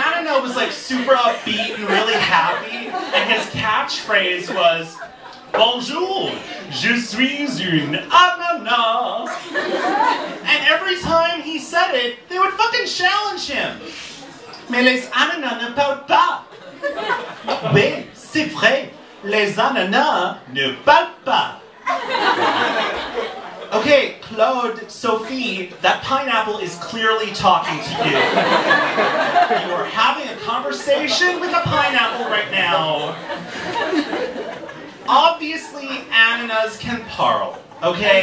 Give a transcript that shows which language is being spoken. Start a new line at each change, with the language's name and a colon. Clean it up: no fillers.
English: Was like super upbeat and really happy, and his catchphrase was
French: "Bonjour, je suis une ananas."
English: And every time he said it, they would fucking challenge him.
French: Mais les ananas ne parlent pas. Mais c'est vrai, les ananas ne parlent pas.
English: Okay, Claude, Sophie, that pineapple is clearly talking to you. You are having a conversation with a pineapple right now. Obviously, ananas can parle, okay?